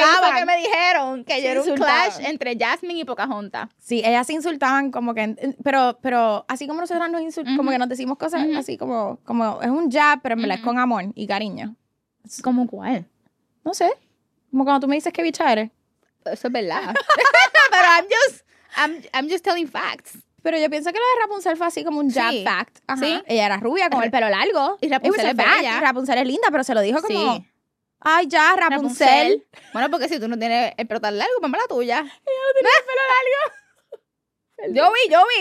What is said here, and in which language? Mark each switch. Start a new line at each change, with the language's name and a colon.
Spanish: Ay, porque me dijeron que yo era un clash entre Jasmine y Pocahontas. Sí, ellas se insultaban como que... Pero así como nosotras nos insultamos, como que nos decimos cosas así como... Es un jab, pero me la es con amor y cariño. ¿Cómo cuál? No sé. Como cuando tú me dices que bicha eres. Eso es verdad. Pero
English: I'm just telling facts.
Spanish: Pero yo pienso que lo de Rapunzel fue así como un jab fact. Ajá. Sí. Ella era rubia con el pelo largo. Y Rapunzel es bella. Y Rapunzel es linda, pero se lo dijo como... Sí. Ay, ya, Rapunzel. Bueno, porque si tú no tienes el pelo tan largo, ponme la tuya. Ella no tiene el pelo largo. yo vi.